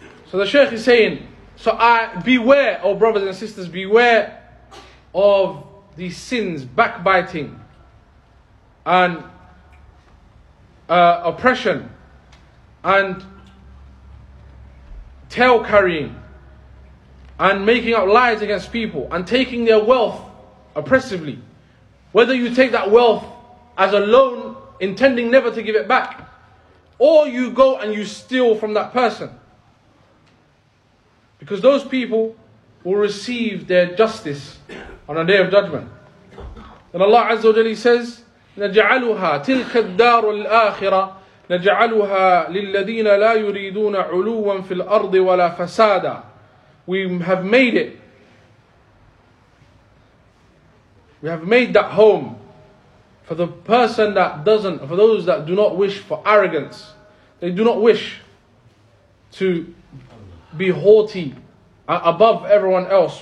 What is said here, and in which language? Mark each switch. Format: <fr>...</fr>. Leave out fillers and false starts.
<en>So the Shaykh is saying, so I beware, oh brothers and sisters, beware of these sins, backbiting and oppression and tail carrying, and making up lies against people, and taking their wealth oppressively. Whether you take that wealth as a loan, intending never to give it back, or you go and you steal from that person. Because those people will receive their justice on a day of judgment.</en> <ar>And Allah Azza wa Jalla says, نَجْعَلُهَا تِلْكَ الدَّارُ الْآخِرَةِ نَجْعَلُهَا لِلَّذِينَ لَا يُرِيدُونَ عُلُوًا فِي الْأَرْضِ وَلَا فَسَادًا.</ar> <en>We have made that home for the person that doesn't, for those that do not wish for arrogance. They do not wish to be haughty above everyone else.</en>